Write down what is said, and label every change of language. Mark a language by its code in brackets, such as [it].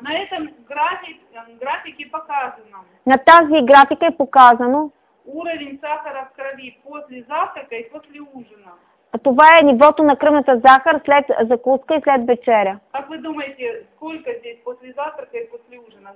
[ru] На этом графике показано. [bg] На тази графика е показано. [ru] Уровень сахара в крови после завтрака и после ужина. [bg] Това е нивото на кръвната захар след закуска и след вечеря. [ru] Как вы думаете, сколько здесь после завтрака и после ужина?